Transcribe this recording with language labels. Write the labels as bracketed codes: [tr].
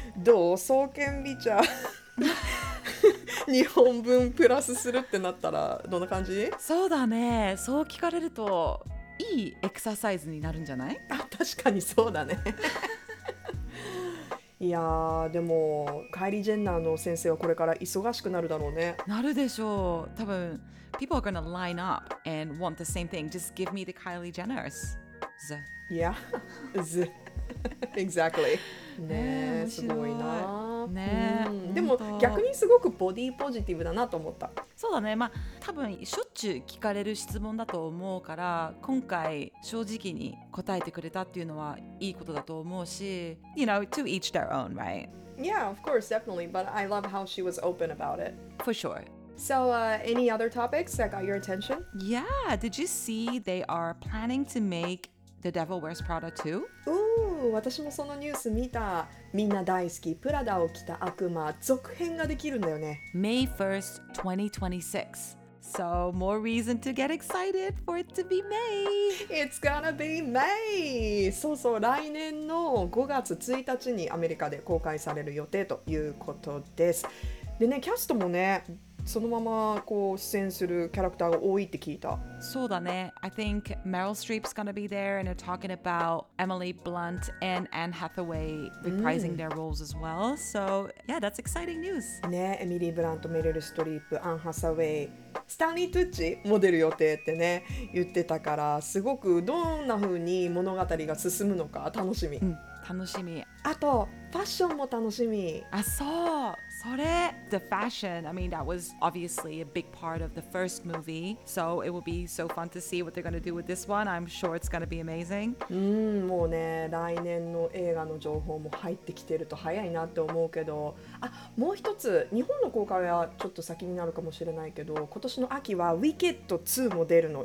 [ja] どう爽健美茶2本分プラスするってなったらどんな感じ？そうだね、そう聞かれるといいエクササイズになるんじゃない？あ、確かにそうだね。いやでもカイリー・ジェンナーの先生はこれから忙しくなるだろうね。なるでしょう。多分 [en] people are gonna line up and want the same thing. Just give me the Kylie Jenner's. Yeah. Exactly. [ja] ねえ、すごいな。ねえ、でも逆にすごくボディポジティブだなと思った。そうだね、まあ、多分しょっちゅう聞かれる質問だと思うから、今回正直に答えてくれたっていうのはいいことだと思うし、 [en] You know, to each their own, right? Yeah, of course, definitely. But I love how she was open about it. For sure. So, any other topics that got your attention? Yeah, did you see they are planning to make The Devil Wears Prada 2? Ooh. [ja] 私もそのニュース見た。みんな大好きプラダを着た悪魔続編ができるんだよね。 [en] May 1st 2026 So more reason to get excited for it to be May. It's gonna be May. [ja] そうそう、来年の5月1日にアメリカで公開される予定ということです。でね、キャストもねそのままこう出演するキャラクターが多いって聞いた。そうだね。 [en] I think Meryl Streep's gonna be there and they're talking about Emily Blunt and Anne Hathaway reprising their roles as well. So yeah, that's exciting news. [ja] ね、エミリー・ブラント、メリル・ストリープ、アン・ハサウェイ、スタンリー・トゥッチも出る予定ってね言ってたから、すごくどんな風に物語が進むのか楽しみ、楽しみ。あとファッションも楽しみ。あ、そう、それ。 [en] The fashion, I mean, that was obviously a big part of the first movie. So it will be so fun to see what they're going to do with this one. I'm sure it's going to be amazing. [ja] もうね、来年の映画の情報も入ってきてると早いなって思うけど。あ、もう一つ、日本の公開はちょっと先になるかもしれないけど、今年の秋は Wicked 2も出るの。